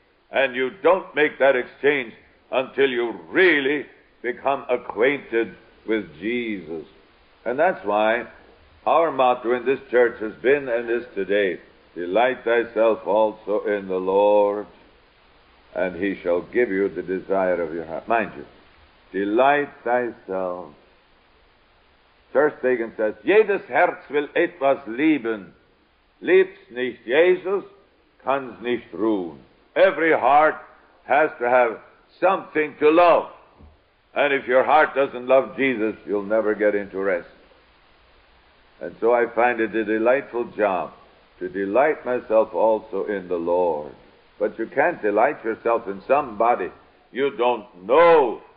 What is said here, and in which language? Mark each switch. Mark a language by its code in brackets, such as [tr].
[en] And you don't make that exchange until you really become acquainted with Jesus. And that's why our motto in this church has been and is today, "Delight thyself also in the Lord, and he shall give you the desire of your heart." Mind you, delight thyself. [de] Sterstegen says, jedes Herz will etwas lieben. Liebt's nicht Jesus, kann's nicht ruhen. [en] Every heart has to have something to love. And if your heart doesn't love Jesus, you'll never get into rest. And so I find it a delightful job to delight myself also in the Lord. But you can't delight yourself in somebody you don't know.